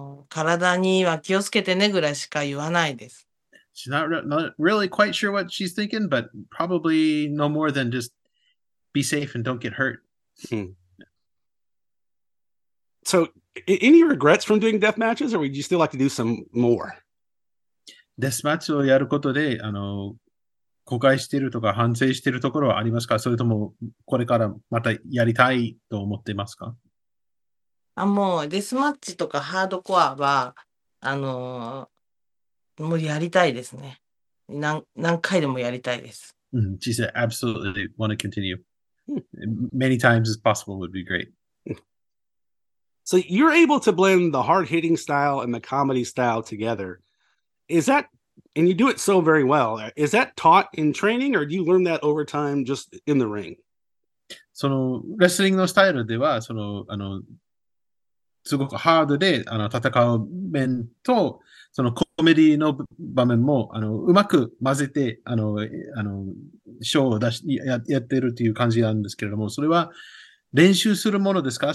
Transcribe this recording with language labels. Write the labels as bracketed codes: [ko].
[ja] 体には気をつけてねぐらいしか言わないです。 [en] She's not really quite sure what she's thinking, but probably no more than just be safe and don't get hurt. So, any regrets from doing death matches, or would you still like to do some more? [ja] Death matchをやることで、後悔してるとか反省してるところはありますか？それともこれからまたやりたいと思ってますか？もうデスマッチとかハードコアは、もうやりたいですね。何回でもやりたいです。 [en] She said, absolutely want to continue. Many times as possible would be great. So you're able to blend the hard-hitting style and the comedy style together. Is that, and you do it so very well, is that taught in training or do you learn that over time just in the ring? [ja] そのレスリングのスタイルでは、すごくハードで戦う面と、そのココメディの場面も、うまく混ぜて、ショーを出し、やってるという感じなんですけれども、それは練習するものですか？